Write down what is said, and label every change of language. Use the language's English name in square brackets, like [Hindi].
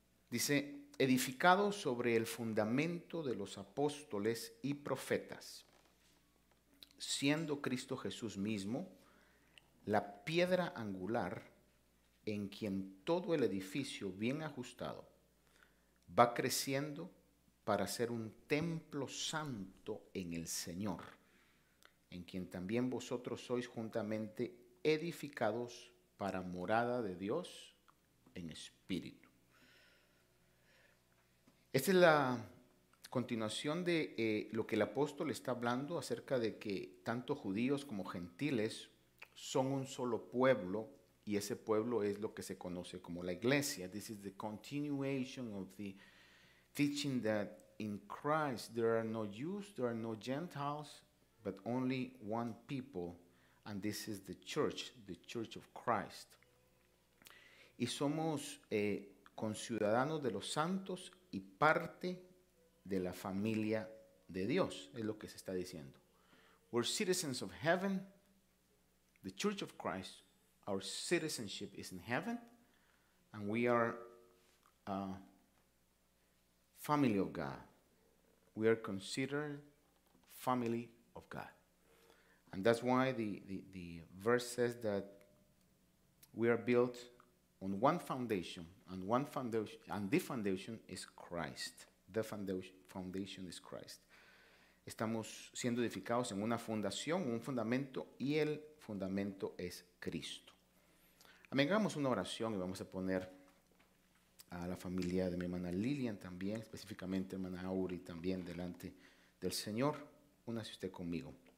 [Spanish] Dice, edificado sobre el fundamento de los apóstoles y profetas, siendo Cristo Jesús mismo la piedra angular en quien todo el edificio bien ajustado va creciendo para ser un templo santo en el Señor, en quien también vosotros sois juntamente edificados para morada de Dios en espíritu. Esta es la continuación de lo que el apóstol está hablando acerca de que tanto judíos como gentiles son un solo pueblo, y ese pueblo es lo que se conoce como la iglesia. [English] This is the continuation of the teaching that in Christ there are no Jews, there are no Gentiles, but only one people, and this is the church of Christ. [Spanish] Y somos conciudadanos de los santos y parte de la familia de Dios, es lo que se está diciendo. [English] We're citizens of heaven, the church of Christ, our citizenship is in heaven, and we are a family of God. We are considered family of God. And that's why the verse says that we are built on one foundation, and one foundation, and the foundation is Christ. The foundation is Christ. [Spanish] Estamos siendo edificados en una fundación, un fundamento, y el fundamento es Cristo. Amén. Hagamos una oración y vamos a poner a la familia de mi hermana Lilian también, específicamente hermana Auri también, delante del Señor. Únase usted conmigo.